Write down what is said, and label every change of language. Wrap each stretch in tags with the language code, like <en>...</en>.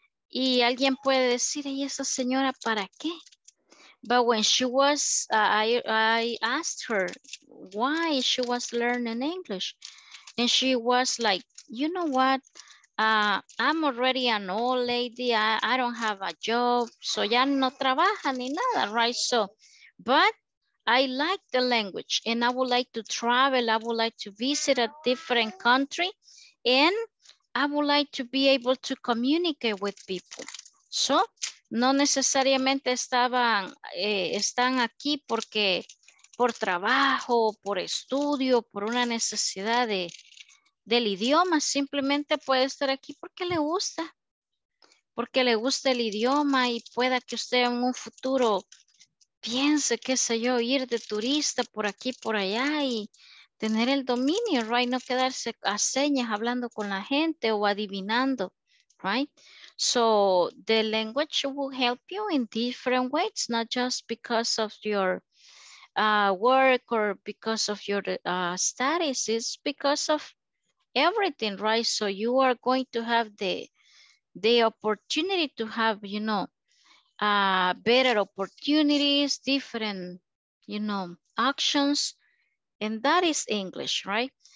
<es>Y alguien puede decir, ¿y esa señora para qué?</es> <en>But when she was, I asked her why she was learning English. And she was like, you know what? I'm already an old lady. I don't have a job. So</en> <es>ya no trabaja ni nada,</es> <en>right? So, but I like the language and I would like to travel. I would like to visit a different country. And I would like to be able to communicate with people.</en> <es>So, no necesariamente estaban, están aquí porque por trabajo, por estudio, por una necesidad de del idioma, simplemente puede estar aquí porque le gusta el idioma y pueda que usted en un futuro piense, qué sé yo, ir de turista por aquí, por allá y tener el dominio, right? No quedarse a señas hablando con la gente o adivinando, right?</es> <en>So the language will help you in different ways, not just because of your work or because of your studies, it's because of everything, right? So you are going to have the opportunity to have, you know, better opportunities, different, you know, options, and that is English, right?</en>